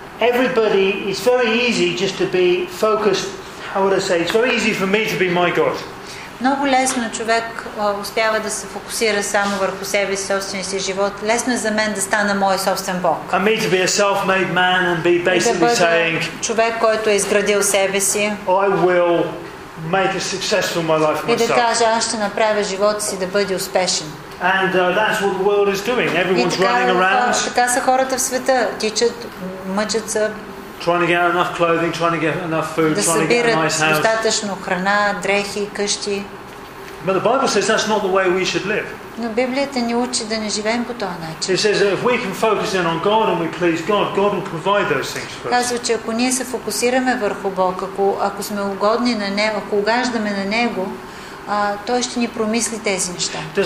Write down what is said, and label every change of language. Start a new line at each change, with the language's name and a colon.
English: Everybody, it's very easy just to be focused. How would I say? It's very easy for me to be my God.
Bulgarian: Много лесно човек успява да се фокусира само върху себе си, собствения си живот. Лесно е за мен да стана мой собствен Бог.
English: I mean to be a self-made man and be basically saying.
Bulgarian: Човек, който е изградил себе си.
English: I will make a successful my life myself.
Bulgarian: И да кажа, аз ще направя живота си да бъде успешен.
English: And that's what the world is doing. Everyone's running around.
Bulgarian: Така са хората в света. Тичат, мъчат се.
English: Trying to get enough clothing, trying to get enough food, trying to get a nice house.
Bulgarian: Да събират достатъчно храна, дрехи, къщи.
English: But the Bible says that's not the way we should live.
Bulgarian: Но Библията ни учи да не живеем по този начин.
English: It says that if we can focus in on God and we please God, God will provide those things for us.
Bulgarian: Казва, че ако ние се фокусираме върху Бог, ако сме угодни на Него, ако угаждаме на Него, той ще ни промисли тези неща.